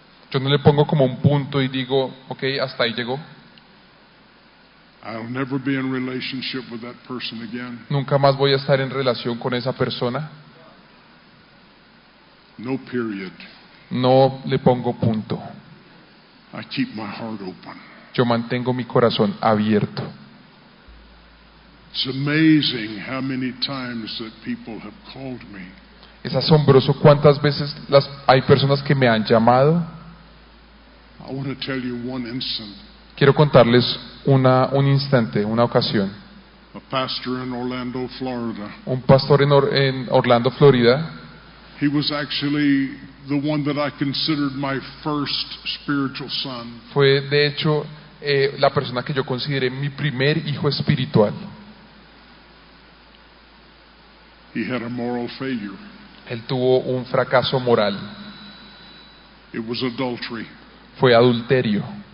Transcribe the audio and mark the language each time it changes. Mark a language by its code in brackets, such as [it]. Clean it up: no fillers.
[es] Yo no le pongo como un punto y digo, okay, hasta ahí llegó. [en] I'll never be in relationship with that person again. [es] Nunca más voy a estar en relación con esa persona. [en] No period. [es] No le pongo punto. [en] I keep my heart open. [es] Yo mantengo mi corazón abierto. [en] It's amazing how many times that people have called me. [es] Es asombroso cuántas veces hay personas que me han llamado. [en] I want to tell you one instant. [es] Quiero contarles un instante, una ocasión. [en] A pastor in Orlando, Florida. [es] Un pastor en Orlando, Florida. [en] He was actually the one that I considered my first spiritual son. [es] Fue de hecho la persona que yo consideré mi primer hijo espiritual. [en] He had a moral failure. [es] Él tuvo un fracaso moral. [en] It was adultery. [es] Fue adulterio.